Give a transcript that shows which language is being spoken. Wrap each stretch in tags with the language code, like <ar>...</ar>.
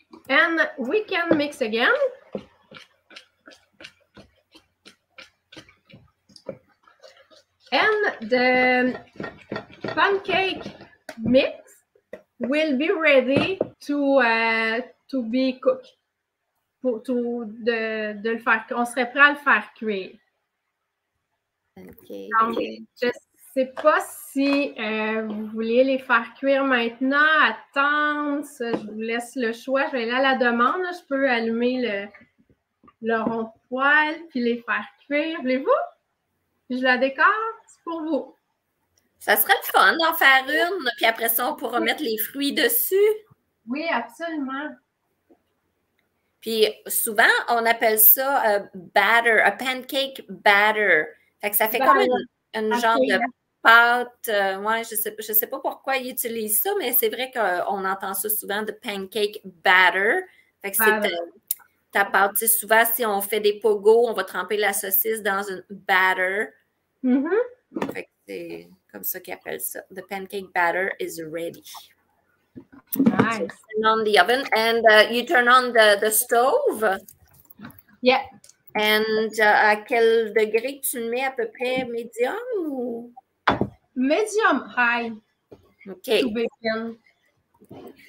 <en>And we can mix again. And the pancake mix will be ready to be cooked.</en> <fr>De le faire, on serait prêt à le faire cuire.</fr> <en>Okay.</en> <fr>Donc, je ne sais pas si vous voulez les faire cuire maintenant, attendre. Ça, je vous laisse le choix. Je vais aller à la demande. Je peux allumer le rond de poêle puis les faire cuire. Voulez-vous? Je la décore, c'est pour vous. Ça serait fun d'en faire une, puis après ça, on pourra mettre les fruits dessus. Oui, absolument. Puis souvent, on appelle ça un batter, un pancake batter. Fait que ça fait comme une genre de pâte. Ouais, je sais pas pourquoi ils utilisent ça, mais c'est vrai qu'on entend ça souvent, de pancake batter. Fait que c'est ta pâte. T'sais, souvent, si on fait des pogos, on va tremper la saucisse dans une batter. Mm-hmm. Fait que c'est comme ça qu'ils appellent ça.</fr> <en>The pancake batter is ready. Nice. So turn on the oven and you turn on the stove. Yeah.</en> <fr>And à quel degré tu le mets, à peu près médium ou?</fr> <en>Medium high. Okay. To begin.</en>